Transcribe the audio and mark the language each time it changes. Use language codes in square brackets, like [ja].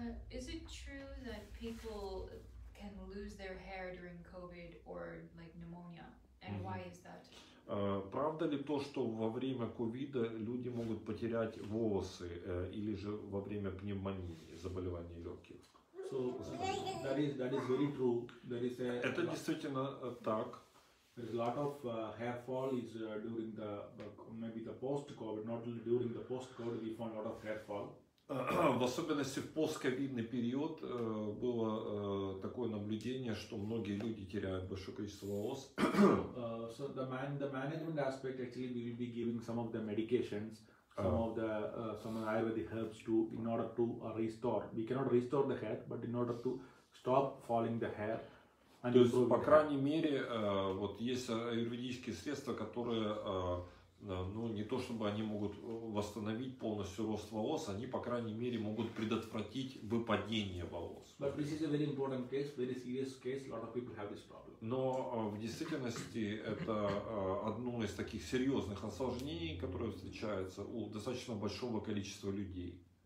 [en] Is it true that people can lose their hair during COVID or like pneumonia? And why is that? [ru] Правда ли то, что во время ковида люди могут потерять волосы или же во время пневмонии, заболевания легких? [en] So that is very true. There is a. [ru] Это действительно так. [en] There's a lot of hair fall is during the maybe the post-COVID, not during the post-COVID, we found a lot of hair fall. [ru] В особенности в постковидный период было такое наблюдение, что многие люди теряют большое количество волос. [en] So the management aspect actually we will be giving some of the medications, some Ayurvedic herbs to in order to restore. We cannot restore the hair, but in order to stop falling the hair. And [ru] то есть, по крайней мере, вот есть аюрведические средства, которые ну, не то чтобы они могут восстановить полностью рост волос, они, по крайней мере, могут предотвратить выпадение волос. [en] But this is a very important case, very serious case, a lot of people have this problem. [ru] Но в действительности это одно из таких серьезных осложнений, которое встречается у достаточно большого количества людей.